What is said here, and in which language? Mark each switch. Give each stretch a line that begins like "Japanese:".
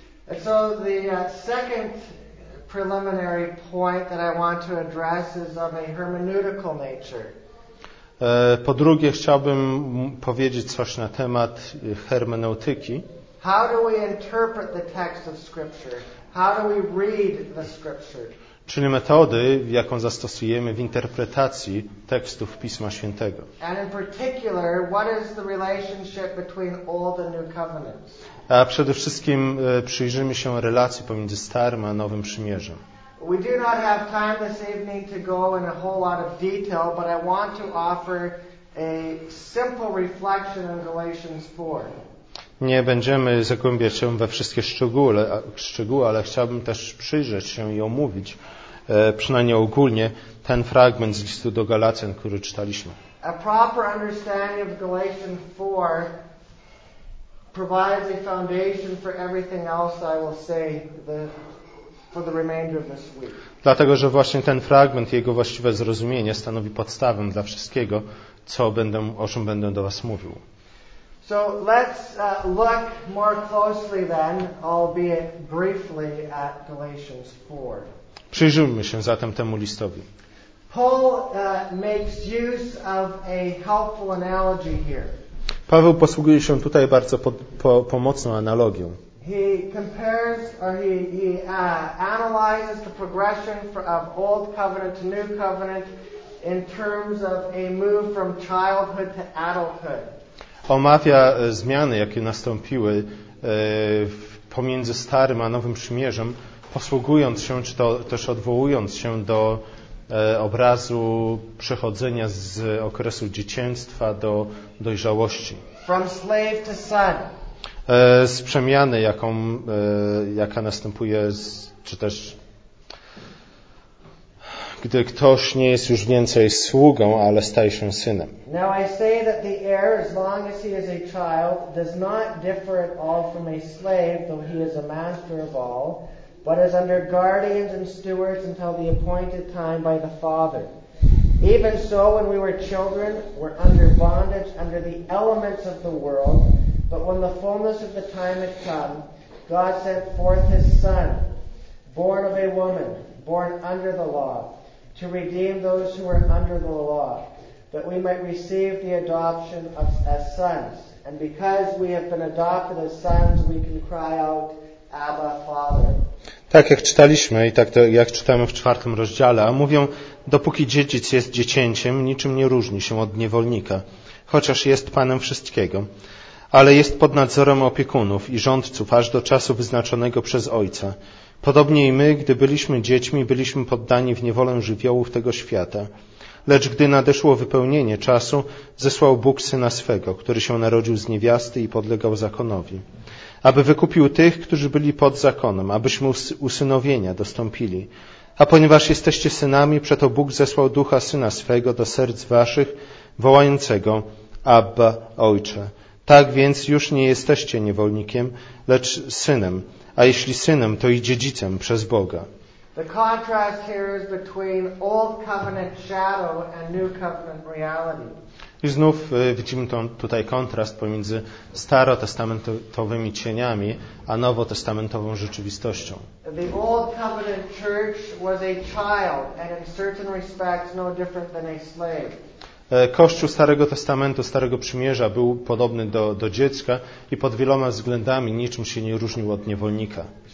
English: And so the second preliminary point that I want to address is of a hermeneutical nature.
Polish: Po drugie, chciałbym powiedzieć coś na temat hermeneutyki.
English: How do we interpret the text of Scripture? How do we read the Scripture?
Polish: Czyli metody, jaką zastosujemy w interpretacji tekstów Pisma Świętego.
English: And in particular, what is the relationship between all the new covenants?
Polish: A przede wszystkim przyjrzymy się relacji pomiędzy Starym a Nowym Przymierzem.
English: We do not have time this evening to go in a whole lot of detail, but I want to offer a simple reflection on Galatians 4.
Polish: Nie będziemy zagłębiać się we wszystkie szczegóły, ale chciałbym też przyjrzeć się i omówić, przynajmniej ogólnie, ten fragment z listu do Galacjan, który czytaliśmy.
English: A proper understanding of Galatians 4 provides a foundation for everything else I will say for the remainder of this week.
Polish: Dlatego, że właśnie ten fragment, jego właściwe zrozumienie stanowi podstawę dla wszystkiego, o czym będę do Was mówił.
English: So let's look more closely then, albeit briefly, at Galatians 4.
Polish: Przyjrzyjmy się zatem temu listowi.
English: Paul makes use of a helpful analogy here.
Polish: Paweł posługuje się tutaj bardzo pomocną analogią.
English: He compares or analyzes the progression of old covenant to new covenant in terms of a move from childhood to adulthood.
Polish: Omawia zmiany, jakie nastąpiły pomiędzy Starym a Nowym Przymierzem, posługując się, czy też odwołując się do obrazu przechodzenia z okresu dzieciństwa do dojrzałości.
English: From slave to son.
Polish: Z przemiany, jaka następuje, czy też gdy ktoś nie jest już więcej sługą, ale staje się synem.
English: Now I say that the heir, as long as he is a child, does not differ at all from a slave, though he is a master of all, but is under guardians and stewards until the appointed time by the father. Even so, when we were children, were under bondage, under the elements of the world, but when the fullness of the time had come, God sent forth his son, born of a woman, born under the law, to redeem those who were under the law, that we might receive the adoption as sons. And because we have been adopted as sons, we can cry out, Abba, Father.
Polish: Tak jak czytaliśmy i tak to, jak czytamy w czwartym rozdziale, a mówią, dopóki dziedzic jest dziecięciem, niczym nie różni się od niewolnika, chociaż jest panem wszystkiego, ale jest pod nadzorem opiekunów i rządców aż do czasu wyznaczonego przez ojca. Podobnie i my, gdy byliśmy dziećmi, byliśmy poddani w niewolę żywiołów tego świata. Lecz gdy nadeszło wypełnienie czasu, zesłał Bóg Syna swego, który się narodził z niewiasty i podlegał zakonowi, aby wykupił tych, którzy byli pod zakonem, abyśmy usynowienia dostąpili. A ponieważ jesteście synami, przeto Bóg zesłał Ducha Syna swego do serc waszych, wołającego Abba, Ojcze. Tak więc już nie jesteście niewolnikiem, lecz synem. A jeśli synem, to i dziedzicem przez Boga.
English: The contrast here is between old covenant shadow and new covenant reality.
Polish: I znów widzimy tutaj kontrast pomiędzy starotestamentowymi cieniami a nowotestamentową rzeczywistością.
English: The old covenant church was a child and in certain respects no different than a slave.
Polish: Kościół Starego Testamentu, Starego Przymierza był podobny do dziecka i pod wieloma względami niczym się nie różnił od niewolnika.